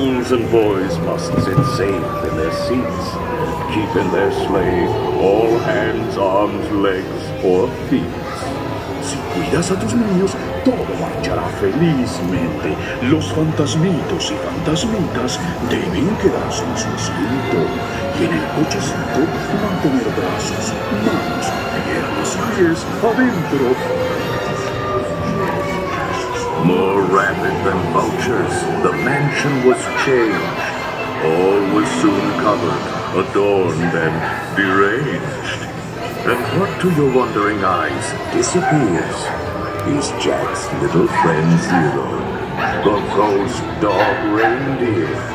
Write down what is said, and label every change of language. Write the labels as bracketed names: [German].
[English] And boys must sit safe in their seats, keep in their sleigh all hands, arms, legs, or feet. [Spanish] Si cuidas a tus niños, todo marchará felizmente. Los fantasmitos y fantasmitas deben quedarse en su asiento. Y en el cochecito, mantener brazos, manos, piernas y pies adentro. [English] More rapid than vultures, the mansion was changed. All was soon covered, adorned, and deranged. And what to your wondering eyes disappears is Jack's little friend Zero, the ghost dog reindeer.